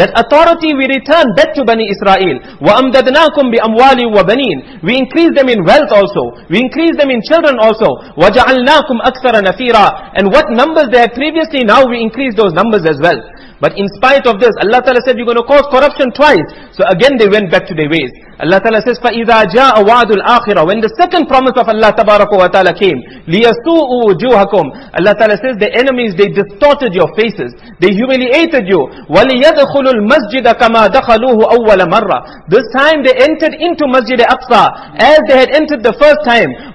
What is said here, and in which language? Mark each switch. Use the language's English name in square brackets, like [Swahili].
[English] That authority we return back to Bani Israel. [Arabic] وَأَمْدَدْنَاكُمْ بِأَمْوَالِ وَبَنِينَ. [English] We increase them in wealth also. We increase them in children also. [Arabic] وَجَعَلْنَاكُمْ أَكْثَرَ نَفِيرًا. [English] And what numbers they had previously, now we increase those numbers as well. But in spite of this, Allah Ta'ala said, you're going to cause corruption twice. So again they went back to their ways. Allah Ta'ala says, [Arabic] فَإِذَا جَاءَ وَعَدُ الْآخِرَةِ. [English] When the second promise of Allah Tabaraka wa Ta'ala came, [Arabic] لِيَسُوءُ وُجُوهَكُمْ. [English] Allah Ta'ala says, the enemies, they distorted your faces. They humiliated you. [Arabic] وَلِيَدْخُلُ الْمَسْجِدَ كَمَا دَخَلُوهُ أَوَّلَ مَرَّةِ. [English] This time they entered into Masjid Aqsa as they had entered the first time.